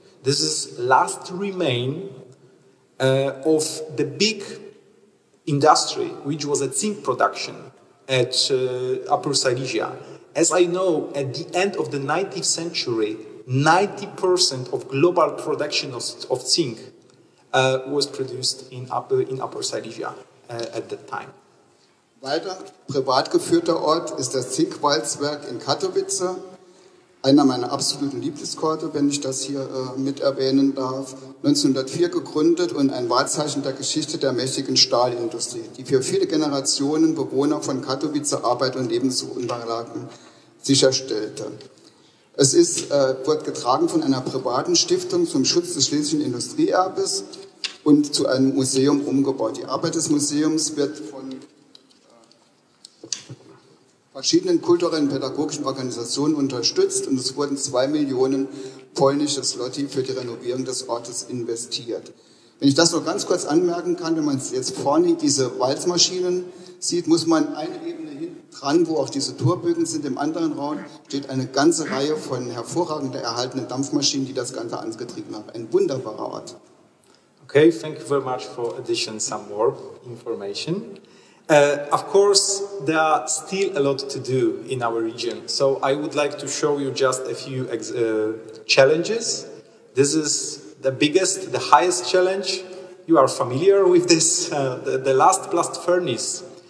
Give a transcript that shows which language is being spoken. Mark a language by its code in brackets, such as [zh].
[en] This is last remain of the big industry, which was a zinc production at Upper Silesia. As I know, at the end of the 19th century, 90% of global production of zinc was produced in Upper Silesia at that time. [de] Weiter privat geführter Ort ist das Zinkwalzwerk in Katowice. Einer meiner absoluten Lieblingsorte, wenn ich das hier mit erwähnen darf. 1904 gegründet und ein Wahrzeichen der Geschichte der mächtigen Stahlindustrie, die für viele Generationen Bewohner von Katowice Arbeit und Lebensunterlagen sicherstellte. Es ist, wird getragen von einer privaten Stiftung zum Schutz des schlesischen Industrieerbes und zu einem Museum umgebaut. Die Arbeit des Museums wird von verschiedenen kulturellen pädagogischen Organisationen unterstützt und es wurden 2 Millionen polnische Zloty für die Renovierung des Ortes investiert. Wenn ich das noch ganz kurz anmerken kann, wenn man jetzt vorne diese Walzmaschinen sieht, muss man eine Ebene hinten dran, wo auch diese Torbögen sind, im anderen Raum steht eine ganze Reihe von hervorragend erhaltenen Dampfmaschinen, die das Ganze angetrieben haben. Ein wunderbarer Ort. [en] Okay, thank you very much for addition some more information. Of course, there are still a lot to do in our region. So I would like to show you just a few challenges. This is the biggest, the highest challenge. You are familiar with this, the last blast furnace.